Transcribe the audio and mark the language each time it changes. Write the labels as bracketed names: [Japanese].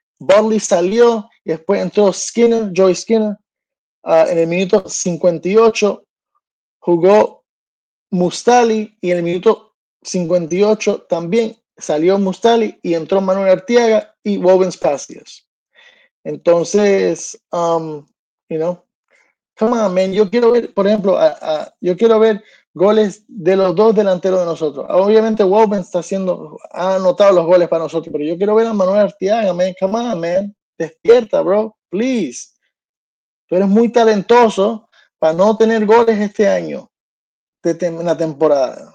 [Spanish] Bodley salió y después entró Skinner, Joey Skinner, en el minuto 58 jugó Mustali y en el minuto 58 también salió Mustali y entró Manuel Arteaga y Woven Spacios. Entonces, [English] you know, come on, man. [Spanish] Yo quiero ver, por ejemplo, yo quiero ver goles de los dos delanteros de nosotros. Obviamente, Woven ha anotado los goles para nosotros, pero yo quiero ver a Manuel Arteaga, man. [English] Come on, man. [Spanish] Despierta, bro. Please. Tú eres muy talentoso para no tener goles este año, en la temporada.